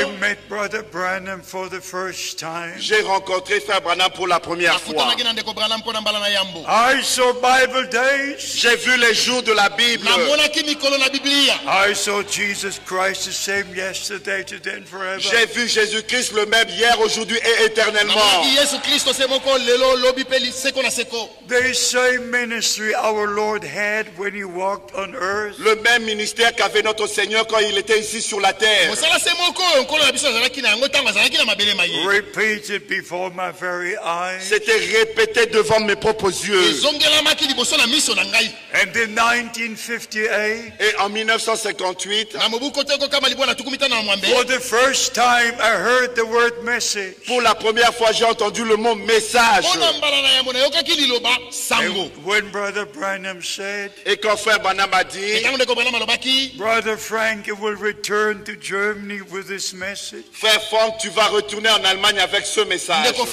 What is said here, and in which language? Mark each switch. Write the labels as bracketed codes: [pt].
[en] I met Brother Branham for the first time. [fr] J'ai rencontré Frère Branham pour la première fois. [en] I saw Bible days. [fr] J'ai vu les jours de la Bible. [en] I saw Jesus Christ the same yesterday, today, and forever. [fr] J'ai vu Jésus-Christ le même hier, aujourd'hui et éternellement. [en] The same ministry our Lord had when he walked on earth. [fr] Le même ministère qu'avait notre Seigneur quand il était ici sur la terre. [en] Repeated before my very eyes. [fr] C'était répété devant mes propres yeux. [en] And in 1958. [fr] Et en 1958. [en] For the first time I heard the word message. [fr] Pour la première fois, j'ai entendu le mot message. [en] And when Brother Branham said, [fr] et quand Frère Branham a dit, [en] Brother Frank, you will return to Germany with this message. [fr] Frère Frank, tu vas retourner en Allemagne avec ce message.